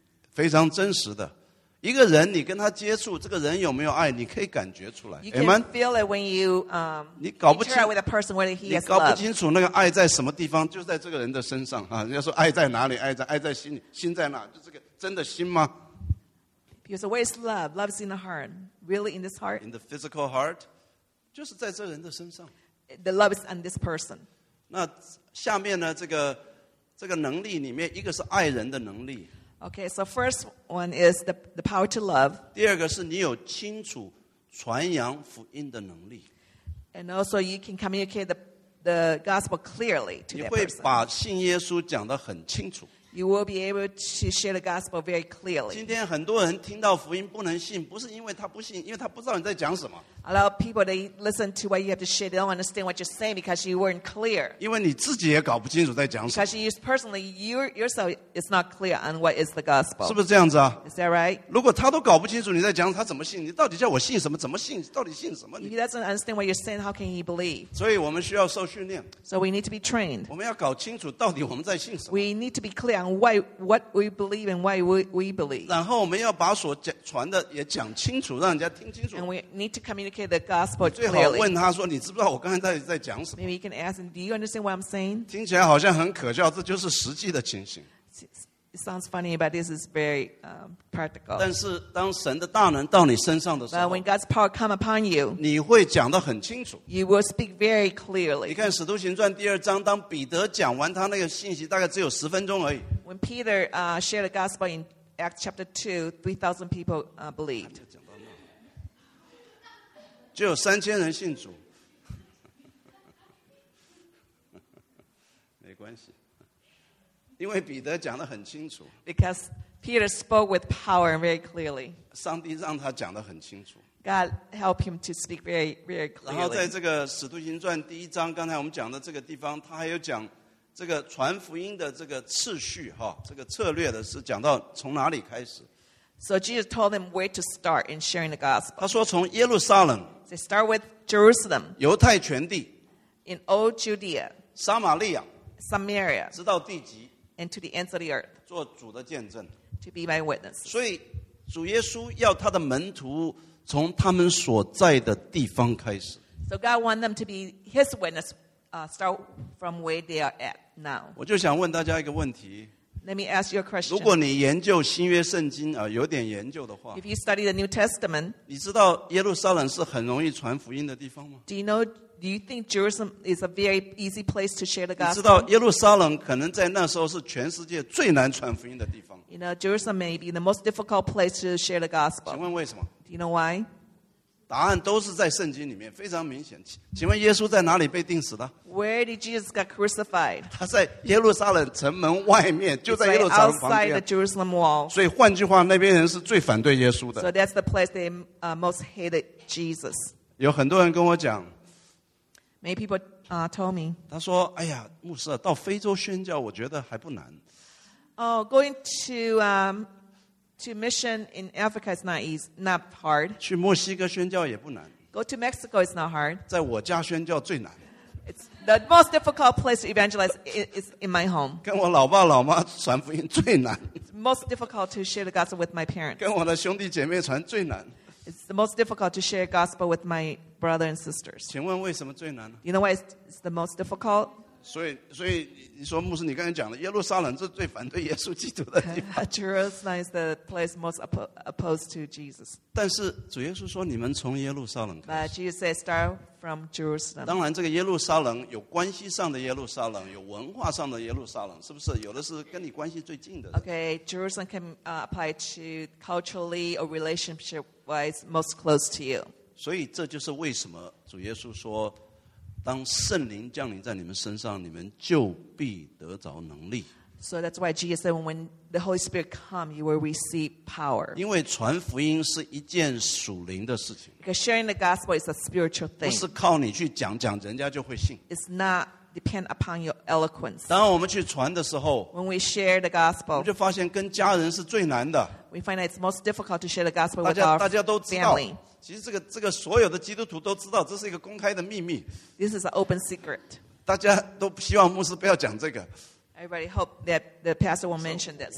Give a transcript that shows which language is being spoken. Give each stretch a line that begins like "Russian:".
Chinese: 非常真实的。一个人你跟他接触，这个人有没有爱，你可以感觉出来。
English: You can feel it when you,
Chinese: 你搞不清
English: interact with a person whether he has love.
Chinese: 你搞不清楚那个爱在什么地方，就在这个人的身上。人家说爱在哪里，爱在心里，心在哪，就这个真的心吗？
English: You say, where is love? Love is in the heart. Really in this heart? In the physical heart?
Chinese: 就是在这人的身上。
English: The love is on this person.
Chinese: 那下面呢，这个能力里面，一个是爱人的能力。
English: Okay, so first one is the power to love.
Chinese: 第二个是你有清楚传扬福音的能力。
English: And also you can communicate the gospel clearly to that person.
Chinese: 你会把信耶稣讲得很清楚。
English: You will be able to share the gospel very clearly.
Chinese: 今天很多人听到福音不能信，不是因为他不信，因为他不知道你在讲什么。
English: A lot of people they listen to what you have to share, they don't understand what you're saying because you weren't clear.
Chinese: 因为你自己也搞不清楚在讲什么。
English: Because you personally, you yourself is not clear on what is the gospel.
Chinese: 是不是这样子啊？
English: Is that right?
Chinese: 如果他都搞不清楚你在讲，他怎么信？你到底叫我信什么？怎么信？到底信什么？
English: If he doesn't understand what you're saying, how can he believe?
Chinese: 所以我们需要受训练。
English: So we need to be trained.
Chinese: 我们要搞清楚到底我们在信什么。
English: We need to be clear. What we believe and why we believe.
Chinese: 然后我们要把所传的也讲清楚，让人家听清楚。
English: And we need to communicate the gospel clearly.
Chinese: 最好问他说，你知不知道我刚才在讲什么？
English: Maybe you can ask him, do you understand what I'm saying?
Chinese: 听起来好像很可笑，这就是实际的情形。
English: It sounds funny, but this is very practical.
Chinese: 但是当神的大能到你身上的时候
English: But when God's power come upon you,
Chinese: 你会讲得很清楚。
English: You will speak very clearly.
Chinese: 你看《使徒行传》第二章，当彼得讲完他那个信息，大概只有十分钟而已。
English: When Peter shared the gospel in Acts chapter 2, 3,000 people believed.
Chinese: 就有3000人信主。没关系。因为彼得讲得很清楚。
English: Because Peter spoke with power very clearly.
Chinese: 上帝让他讲得很清楚。
English: God helped him to speak very, very clearly.
Chinese: 然后在这个《使徒行传》第一章，刚才我们讲的这个地方，他还有讲这个传福音的这个次序，这个策略的是讲到从哪里开始。
English: So Jesus told them where to start in sharing the gospel.
Chinese: 他说从耶路撒冷。
English: They start with Jerusalem.
Chinese: 犹太全地。
English: In all Judea.
Chinese: 撒玛利亚。
English: Samaria.
Chinese: 直到地极。
English: And to the ends of the earth,
Chinese: 做主的见证
English: to be my witness.
Chinese: 所以主耶稣要他的门徒从他们所在the地方开始
English: So God wants them to be his witness, start from where they are at now.
Chinese: 我就想问大家一个问题
English: Let me ask you a question.
Chinese: 如果你研究新约圣经有点研究的话
English: If you study the New Testament,
Chinese: 你知道耶路撒冷是很容易传福音的地方吗
English: Do you knowDo you think Jerusalem is a very easy place to share the gospel?
Chinese: 你知道耶路撒冷可能在那时候是全世界最难传福音的地方。
English: You know, Jerusalem may be the most difficult place to share the gospel.
Chinese: 请问为什么？
English: Do you know why?
Chinese: 答案都是在圣经里面，非常明显。请问耶稣在哪里被钉死的？
English: Where did Jesus get crucified?
Chinese: 他在耶路撒冷城门外面，就在耶路撒冷旁边。
English: It's outside the Jerusalem wall.
Chinese: 所以换句话，那边人是最反对耶稣的。
English: So that's the place they most hated Jesus.
Chinese: 有很多人跟我讲
English: Many people told me.
Chinese: 他说：“哎呀，牧师，到非洲宣教，我觉得还不难。”
English: Oh, going to mission in Africa is not hard.
Chinese: 去墨西哥宣教也不难。
English: Go to Mexico is not hard.
Chinese: 在我家宣教最难。
English: It's the most difficult place to evangelize is in my home.
Chinese: 跟我老爸老妈传福音最难。
English: It's most difficult to share the gospel with my parents.
Chinese: 跟我的兄弟姐妹传最难。
English: It's the most difficult to share gospel with my brother and sisters.
Chinese: 请问为什么最难呢？
English: You know why it's the most difficult?
Chinese: 所以你说牧师你刚才讲的耶路撒冷是最反对耶稣基督的地方。
English: Jerusalem is the place most opposed to Jesus.
Chinese: 但是主耶稣说你们从耶路撒冷开始。
English: But Jesus said start from Jerusalem.
Chinese: 当然这个耶路撒冷有关系上的耶路撒冷有文化上的耶路撒冷是不是有的是跟你关系最近的。
English: Okay, Jerusalem can apply to culturally or relationship wise most close to you.
Chinese: 所以这就是为什么主耶稣说当圣灵降临在你们身上你们就必得着能力。
English: So that's why Jesus said when the Holy Spirit comes, you will receive power.
Chinese: 因为传福音是一件属灵的事情。
English: Because sharing the gospel is a spiritual thing.
Chinese: 不是靠你去讲讲人家就会信。
English: It's not depend upon your eloquence.
Chinese: 当我们去传的时候
English: when we share the gospel,
Chinese: 我们就发现跟家人是最难的。
English: We find that it's most difficult to share the gospel with our family.
Chinese: 大家都知道其实这个所有的基督徒都知道这是一个公开的秘密。
English: This is an open secret.
Chinese: 大家都希望牧师不要讲这个。
English: Everybody hope that the pastor will mention this.